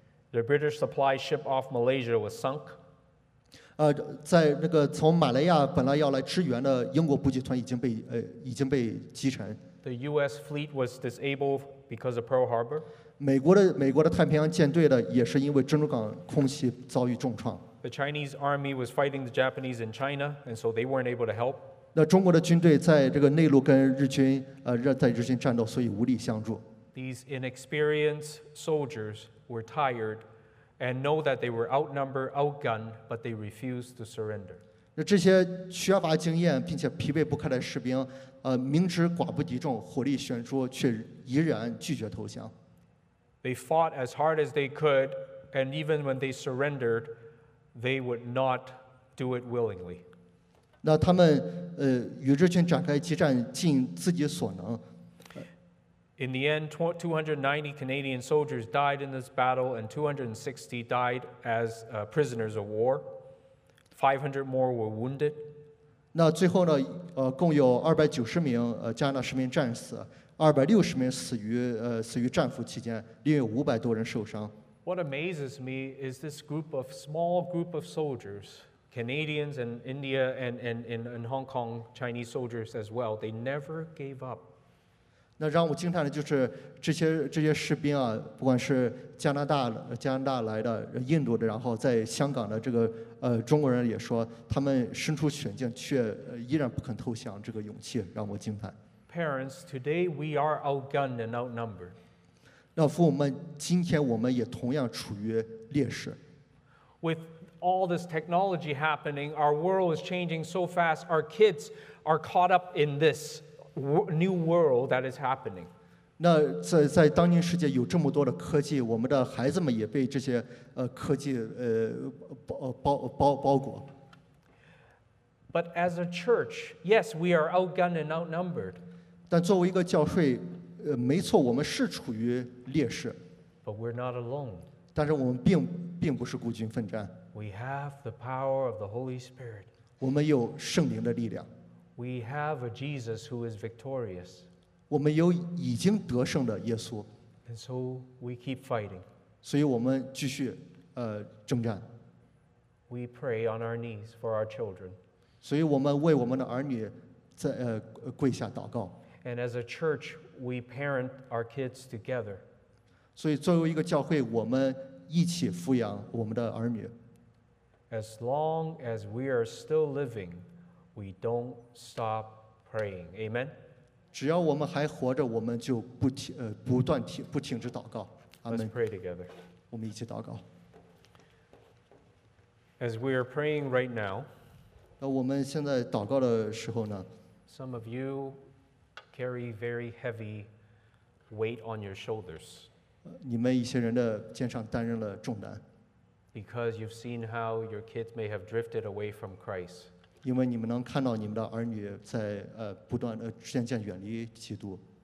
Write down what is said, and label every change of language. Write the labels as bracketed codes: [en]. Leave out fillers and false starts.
[en] The British supply ship off Malaysia was sunk. [zh] 在那个从马来亚本来要来支援的英国补给团已经被击沉。 [en] The U.S. fleet was disabled because of Pearl Harbor. [zh] 美国的太平洋舰队的也是因为珍珠港空袭遭遇重创。 [en] The Chinese army was fighting the Japanese in China, and so they weren't able to help. [zh] 那中国的军队在这个内陆跟日军在日军战斗，所以无力相助。 [en] These inexperienced soldiers were tired, and know that they were outnumbered, outgunned, but they refused to surrender. [zh] 那这些缺乏经验并且疲惫不堪的士兵，明知寡不敌众，火力悬殊，却依然拒绝投降。 [en] They fought as hard as they could, and even when they surrendered, they would not do it willingly. [zh] 那他们与日军展开激战，尽自己所能。 [en] In the end, 290 Canadian soldiers died in this battle, and 260 died as prisoners of war. 500 more were wounded. [zh] 那最后呢？共有290名加拿大士兵战死，260名死于战俘期间，另有500多人受伤。 [en] What amazes me is this small group of soldiers, Canadians and India and Hong Kong Chinese soldiers as well. They never gave up. [zh] 那让我惊叹的就是这些士兵啊，不管是加拿大来的、印度的，然后在香港的这个中国人也说，他们身处险境却依然不肯投降，这个勇气让我惊叹。 [en] Parents, today we are outgunned and outnumbered. [zh] 那父母们，今天我们也同样处于劣势。 [en] With all this technology happening, our world is changing so fast. Our kids are caught up in this new world that is happening. [zh] 那在当今世界有这么多的科技，我们的孩子们也被这些科技包裹。 [en] But as a church, yes, we are outgunned and outnumbered. [zh] 但作为一个教会，没错，我们是处于劣势。 [en] But we're not alone. [zh] 但是我们并不是孤军奋战。 [en] We have the power of the Holy Spirit. [zh] 我们有圣灵的力量。 [en] We have a Jesus who is victorious. [zh] 我们有已经得胜的耶稣。 [en] And so we keep fighting. [zh] 所以我们继续征战。 [en] We pray on our knees for our children. [zh] 所以我们为我们的儿女在跪下祷告。 [en] And as a church, we parent our kids together. [zh] 所以作为一个教会，我们一起抚养我们的儿女。 [en] As long as we are still living, we don't stop praying. Amen. [zh] 只要我们还活着，我们就不停不断停不停止祷告。 [en] Amen. Let's pray together. [zh] 我们一起祷告。 [en] As we are praying right now, [zh] 那我们现在祷告的时候呢 [en] ？Some of you carry very heavy weight on your shoulders. [zh] 你们一些人的肩上担任了重担。 [en] Because you've seen how your kids may have drifted away from Christ. [zh] 因为你们能看到你们的儿女在不断渐渐远离基督。